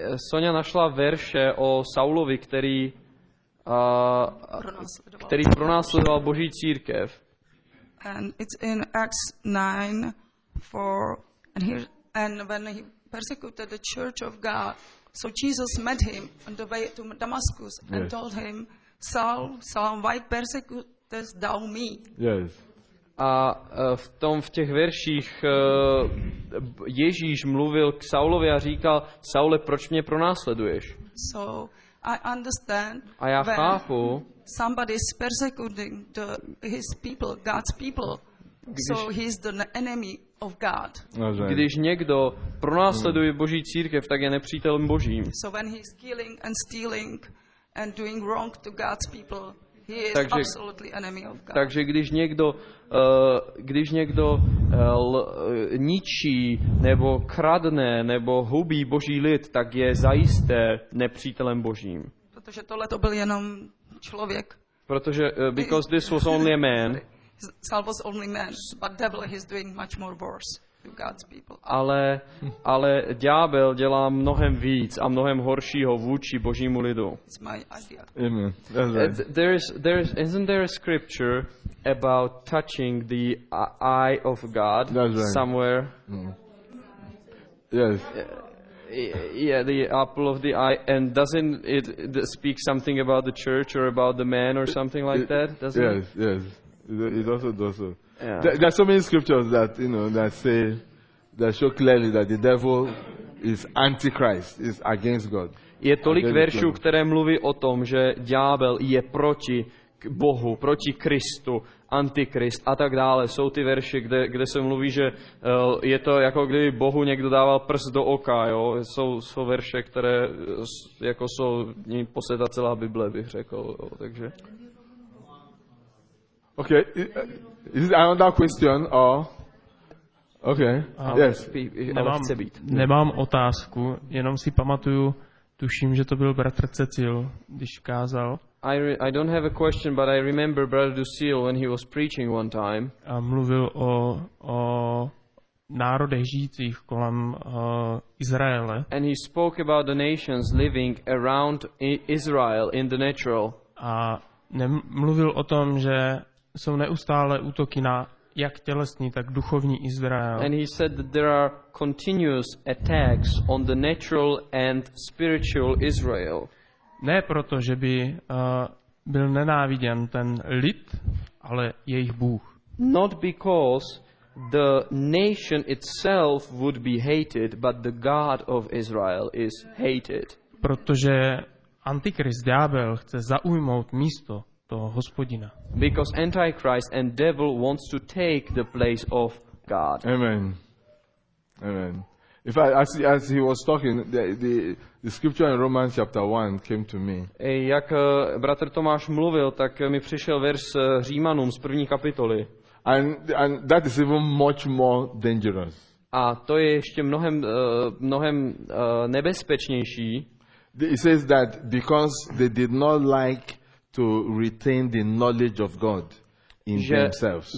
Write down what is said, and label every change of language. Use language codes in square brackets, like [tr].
[cs] Sonja našla verše o Saulovi, který pronásledoval Boží církev. [en] And it's in Acts 9:4 and here and when he persecuted the church of God, so Jesus met him on the way to Damascus and yes. told him, Saul, why persecute Yes. [cs] A v těch verších Ježíš mluvil k Saulovi a říkal, Saule, proč mě pronásleduješ? [en] So I understand. [cs] A já chápu. [en] Somebody is persecuting his people, God's people. So he's the enemy of God. [cs] Když někdo pronásleduje Boží církev, tak je nepřítelem Božím. [en] So when he's killing and stealing and doing wrong to God's people. He is absolutely enemy of God. [cs] Takže když někdo ničí nebo kradne nebo hubí Boží lid, tak je zajisté nepřítelem Božím. Protože tohle to byl jenom člověk. Protože [en] because this was only a man. Saul was only man, but devil he's doing much more worse. to God's people. [cs] Ale ďábel dělá mnohem víc a mnohem horšího vůči Božímu lidu. [en] It's my idea. Amen. That's right. Isn't there a scripture about touching the eye of God? That's right. Somewhere? Mm. Yes. Yeah, the apple of the eye, and doesn't it speak something about the church or about the man or something like that? Doesn't yes, it? Yes, it also does so. Yeah. There are so many scriptures that, you know, that say, that show clearly that the devil is antichrist, is against God. [cs] Je tolik veršů, které mluví o tom, že ďábel je proti Bohu, proti Kristu, antikrist a tak dále. Jsou ty verše, kde se mluví, že je to jako kdyby Bohu někdo dával prst do oka, jo. Jsou verše, které jako jsou posedá celá Bible, bych řekl, jo. Takže. [en] Okay, is it another question or okay? Yes. [cs] Nemám otázku, jenom si pamatuju, tuším, že to byl bratr Cecil, když kázal. [en] I don't have a question, but I remember Brother Dusil when he was preaching one time. [cs] A mluvil o národech žijících kolem Izraele. [en] And he spoke about the nations living around Israel in the natural. [cs] A mluvil o tom, že jsou neustále útoky na jak tělesný, tak duchovní Izrael. [en] And he said that there are continuous attacks on the natural and spiritual Israel. [cs] Ne proto, že by byl nenáviděn ten lid, ale jejich Bůh. [en] Not because the nation itself would be hated, but the God of Israel is hated. [cs] Protože antikrist, ďábel, chce zaujmout místo toho Hospodina. [en] Because antichrist and devil wants to take the place of God. Amen. Amen. If I as he was talking, the scripture in Romans chapter 1 came to me. [cs] Jak bratr Tomáš mluvil, tak mi přišel verš Římanům z první kapitoly. [en] And that is even much more dangerous. [cs] A to je ještě mnohem nebezpečnější. [en] It says that because they did not like to retain the knowledge of God in themselves.